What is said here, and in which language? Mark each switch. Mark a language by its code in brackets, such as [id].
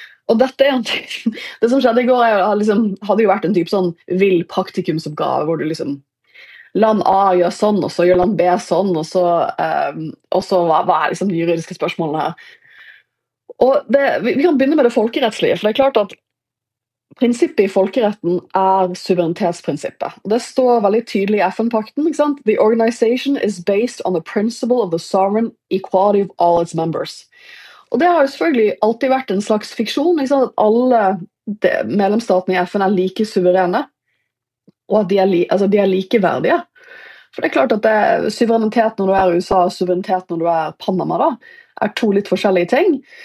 [no] Og dette en ting, det som skjedde i går, hadde jo vært en typ sånn vill praktikumsoppgave, hvor du liksom, land A gjør sånn, og så gjør land B sånn, og så hva liksom de juridiske spørsmålene her? Og det, vi kan begynne med det folkerettslige, for det klart at prinsippet i folkeretten suverenitetsprinsippet. Det står veldig tydelig i FN-pakten, ikke sant? [en] The organization is based on the principle of the sovereign equality of all its members. [no] Og det har jo selvfølgelig alltid vært en slags fiksjon, ikke sant? At alle medlemsstatene i FN like suverene, og at de er likeverdige. For det klart at det, suverenitet når du USA, suverenitet når du Panama, da, to litt forskjellige ting.